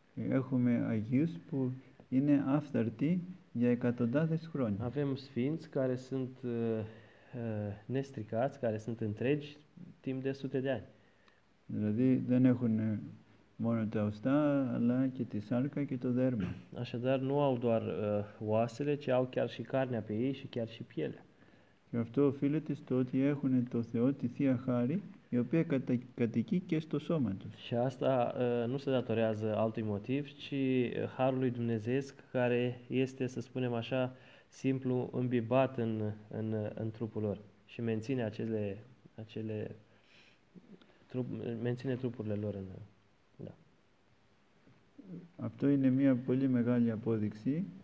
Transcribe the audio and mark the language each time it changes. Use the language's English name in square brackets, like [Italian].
[Greek] Έχουμε Αγίους που είναι άφθαρτοι για εκατοντάδες χρόνια. [Romanian] Avem sfinți care sunt nestricați, care sunt întregi timp de sute de ani. [Greek] Δηλαδή δεν έχουν μόνο τα οστά, αλλά και τη σάρκα και το δέρμα. [Romanian] Așadar, nu au doar oasele, ci au chiar și carnea pe ei și chiar și pielea. [Greek] Και αυτό οφείλεται στο ότι έχουν το Θεό, τη Θεία Χάρη, η οποία κατοικεί και στο σώμα τους. [Romanian] Și asta nu se datorează altui motiv, ci harului dumnezeesc care este, să spunem așa, simplu îmbibat în trupul lor și menține acele trup, menține trupurile lor în da. [Greek] Αυτό είναι μια πολύ μεγάλη απόδειξη.